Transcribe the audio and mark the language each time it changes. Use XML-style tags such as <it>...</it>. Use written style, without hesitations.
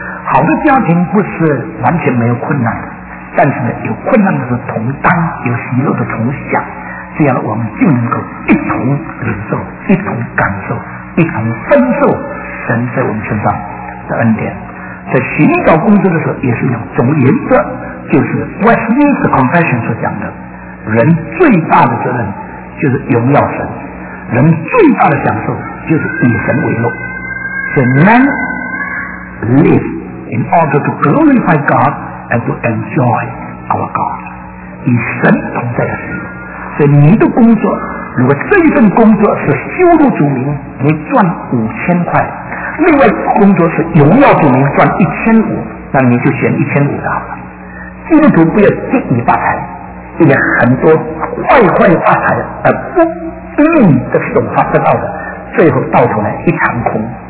<zh>好的家庭不是完全没有困难的，但是呢，有困难的是同当，有喜乐的同享，这样我们就能够一同领受，一同感受，一同分受神在我们身上的恩典。在寻找工作的时候也是一样，总而言之就是 Westminster Confession 所讲的，人最大的责任就是荣耀神，人最大的享受就是以神为乐。</zh> <en>So man live in order to glorify God and to enjoy our God，</en> <zh>以神同在的时候。所以你的工作，如果这一份工作是羞辱主名，你赚5000块；另外工作是荣耀主名，赚1500，那你就选1500的好了。基督徒不要轻易发财，因为很多坏坏发财而不定的手法得到的，最后到头来一场空。</zh>